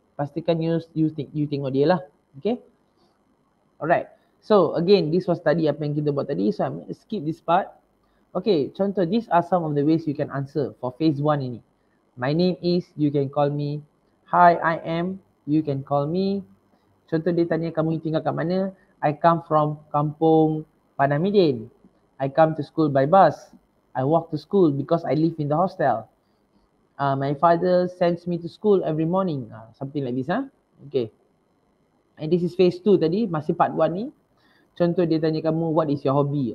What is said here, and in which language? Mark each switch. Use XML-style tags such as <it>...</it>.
<ms>Pastikan you tengok dia lah. Okay? Alright.</ms> <en>So again, this was</en> <ms>tadi apa yang kita buat tadi.</ms> <en>So I'm going to skip this part. Okay, contoh, these are some of the ways you can answer for phase one ini. My name is, you can call me. Hi, I am, you can call me.</en> <ms>Contoh, dia tanya kamu tinggal kat mana.</ms> <en>I come from Kampung Panamidin. I come to school by bus. I walk to school because I live in the hostel. My father sends me to school every morning. Something like this, huh? Okay. And this is phase two tadi, masih part one ni.</en> <ms>Contoh, dia tanya kamu,</ms> <en>what is your hobby?</en>